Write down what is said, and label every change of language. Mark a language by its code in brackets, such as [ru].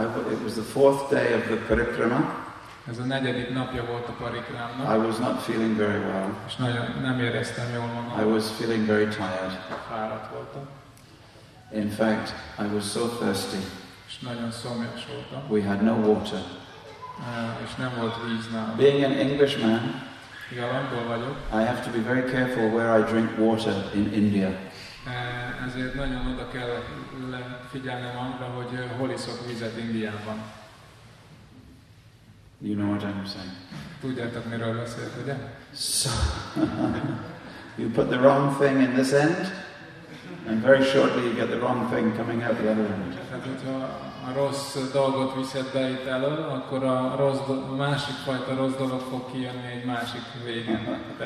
[en] It was the fourth day of the parikrama. [hu] Ez a negyedik napja volt a parikrámnak. [en] I was not feeling very well. [hu] És nagyon nem éreztem jól magam. [en] I was feeling very tired. [hu] Fáradt voltam. [en] In fact, I was so thirsty. [hu] És nagyon szomjas voltam. [en] We had no water. [hu] És nem volt víz nálam. [en] Being an Englishman, [hu] igen, angol vagyok. [en] I have to be very careful where I drink water in India. [hu] Ezért nagyon oda kell figyelnem arra, hogy hol iszok vizet Indiában. [en] You know what I'm saying. [hu] Tudjátok, miről beszélt, ugye? [en] So, you put the wrong thing in this end, and very shortly you get the wrong thing coming out the other end. [hu] A rossz dolgot viszed be itt elő, akkor a rossz másik fajta rossz dolog fog kijönni egy másik végén.